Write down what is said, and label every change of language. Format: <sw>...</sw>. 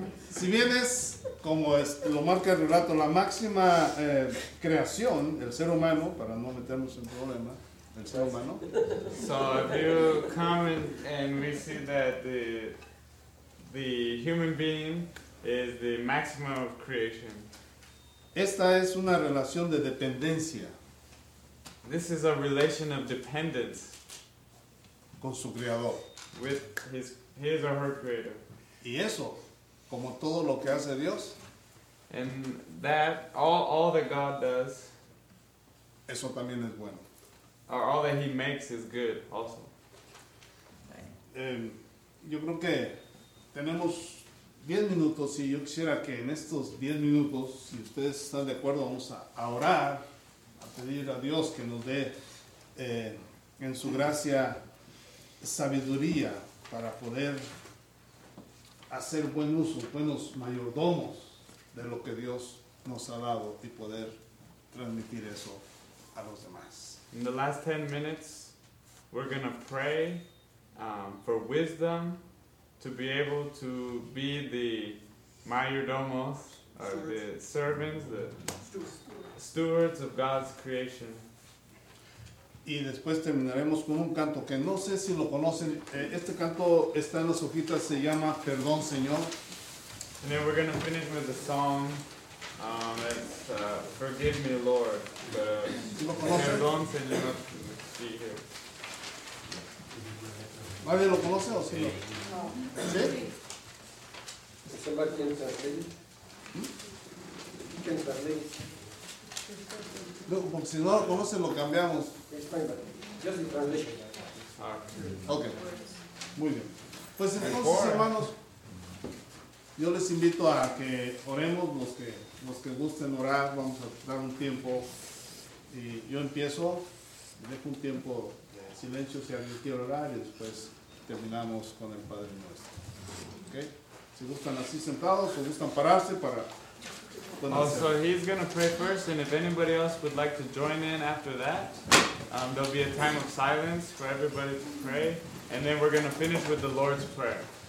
<es>Si bien es, como es, lo marca el relato, la máxima creación, el ser humano, para no meternos en problemas, el ser humano.</es> <en>So if you come and we see that the human being is the maximum of creation.</en> <es>Esta es una relación de dependencia.</es> <en>This is a relation of dependence.</en> <es>Con su creador.</es> <en>With his or her creator.</en> <es>Y eso, como todo lo que hace Dios.</es> <en>And that, all that God does.</en> <es>Eso también es bueno.</es> <en>Or all that He makes is good also.</en> <es>Yo creo que tenemos 10 minutos y yo quisiera que en estos 10 minutos, si ustedes están de acuerdo, vamos a orar, a pedir a Dios que nos dé en su gracia sabiduría para poder hacer buen uso, buenos mayordomos de lo que Dios nos ha dado y poder transmitir eso a los demás.</es> <en>In the last 10 minutes, we're going to pray for wisdom to be able to be the mayordomos, or the servants, the stewards of God's creation.</en> <es>Y después terminaremos con un canto que no sé si lo conocen. Este canto está en las hojitas, se llama Perdón, Señor.</es> <en>And then we're going to finish with a song. Forgive me, Lord. Perdón, Señor. Sí,</en> <es>¿Mario lo conoce o sí? No. ¿Sí? ¿Sí? ¿Quién está No, porque si no lo conoce, lo cambiamos. Yo soy traslé. Ok. Muy bien. Pues entonces, hermanos, yo les invito a que oremos los que gusten orar, vamos a dar un tiempo. Y yo empiezo, dejo un tiempo de silencio si alguien quiere orar y después terminamos con el Padre Nuestro. ¿Ok? Si gustan así sentados o gustan pararse para...</es> <en>Also, he's going to pray first, and if anybody else would like to join in after that, there'll be a time of silence for everybody to pray, and then we're going to finish with the Lord's Prayer.</en>